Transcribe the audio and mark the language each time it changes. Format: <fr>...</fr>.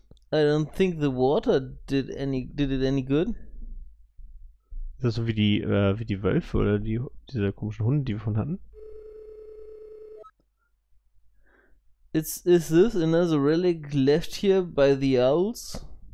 <en>I don't think the water did it any good.</en> <de>Ist das so wie die Wölfe oder diese komischen Hunde, die wir von hatten?</de> <en>Is this another relic left here by the owls?</en>